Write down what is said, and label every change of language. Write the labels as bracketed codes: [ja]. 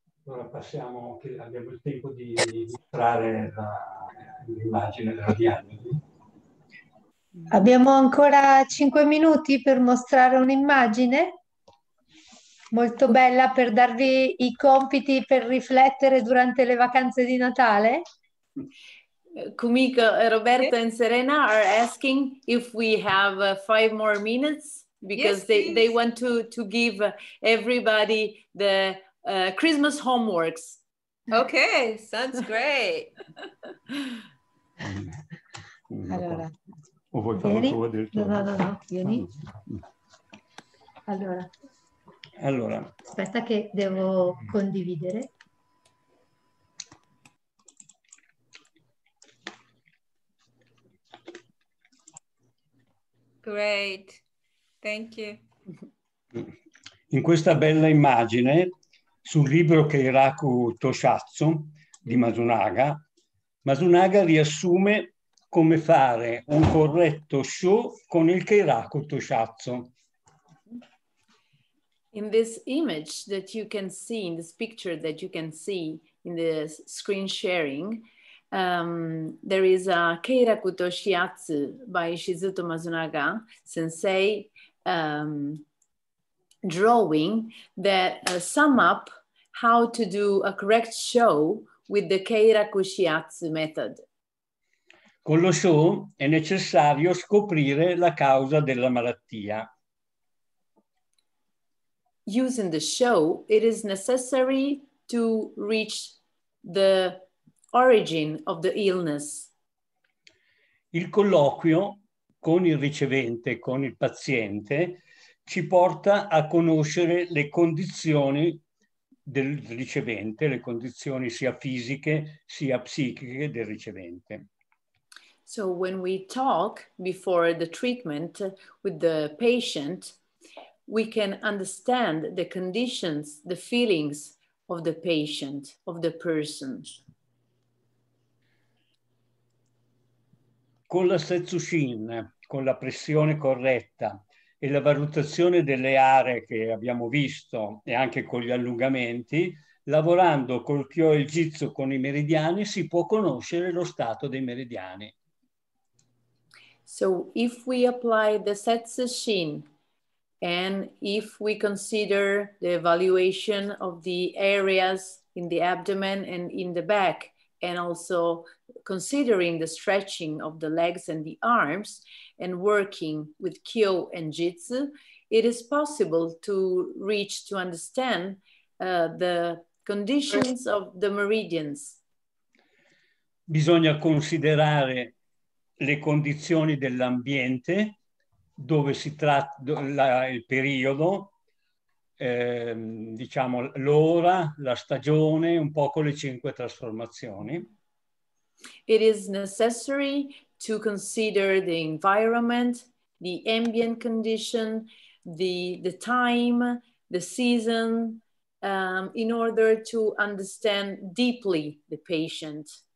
[it] Ora passiamo, che abbiamo il tempo di mostrare l'immagine della diagnosi. Abbiamo ancora 5 minuti per mostrare un'immagine molto bella per darvi i compiti per riflettere durante le vacanze di Natale. [en] Kumiko, Roberto and Serena are asking if we have 5 more minutes because they want to give everybody the Christmas homeworks. Okay, sounds great. [it] Allora. O vuoi farlo tu addirittura? No, vieni. Allora. Allora. Aspetta che devo condividere. [en] Great, thank you. [it] In questa bella immagine, sul libro Keiraku Toshatsu di Masunaga, Masunaga riassume come fare un corretto show con il Keiraku Toshatsu. [en] In this image that you can see, in this picture that you can see in the screen sharing, there is a Keiraku Toshiatsu by Shizuto Masunaga sensei drawing that sum up how to do a correct show with the Keiraku Shiatsu method. [it] Con lo show è necessario scoprire la causa della malattia. [en] Using the show, it is necessary to reach the origin of the illness. [it] Il colloquio con il ricevente, con il paziente, ci porta a conoscere le condizioni del ricevente, le condizioni sia fisiche sia psichiche del ricevente. [en] So when we talk before the treatment with the patient, we can understand the conditions, the feelings of the patient, of the person. [it] Con la Setsushin, con la pressione corretta e la valutazione delle aree che abbiamo visto e anche con gli allungamenti, lavorando col Kyoijitsu con i meridiani, si può conoscere lo stato dei meridiani. [en] So if we apply the Setsushin and if we consider the evaluation of the areas in the abdomen and in the back, and also considering the stretching of the legs and the arms and working with Kyo and Jitsu, it is possible to reach to understand the conditions of the meridians. [it] Bisogna considerare le condizioni dell'ambiente, dove si tratta il periodo, diciamo l'ora, la stagione, un po' con le 5 trasformazioni. [en] It is necessary to consider the environment, the ambient condition, the time, the season, in order to understand deeply the patient.